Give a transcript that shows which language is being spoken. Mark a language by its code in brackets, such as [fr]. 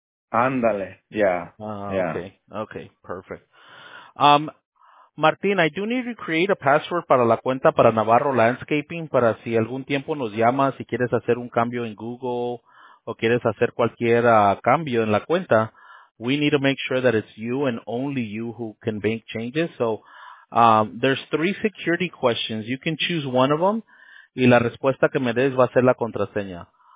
[es] Ándale, [en] Okay. Okay, perfect. [es] Martín, [en] I do need to create a password [es] para la cuenta para Navarro Landscaping, para si algún tiempo nos llamas si quieres hacer un cambio en Google o quieres hacer cualquier cambio en la cuenta. [en] We need to make sure that it's you and only you who can make changes. So there's 3 security questions. You can choose one of them. [es] Y la respuesta que me des va a ser la contraseña.